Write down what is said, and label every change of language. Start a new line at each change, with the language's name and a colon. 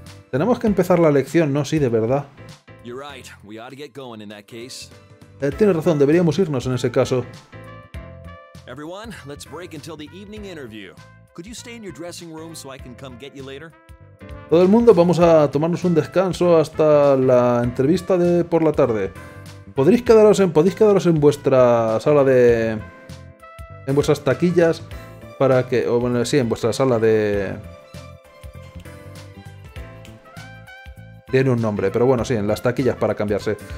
Spanish: Tenemos que empezar la lección, ¿no? Sí, de verdad.
English: You're right. We ought to get going in that case.
Spanish: Tienes razón, deberíamos irnos en ese caso.
English: Everyone, let's break until the evening interview. Could you stay in your dressing room so I can come get you later?
Spanish: Todo el mundo, vamos a tomarnos un descanso hasta la entrevista de por la tarde. Podéis quedaros en vuestra sala de en vuestras taquillas para que o bueno, sí, en vuestra sala de tiene un nombre, pero bueno, sí, en las taquillas para cambiarse.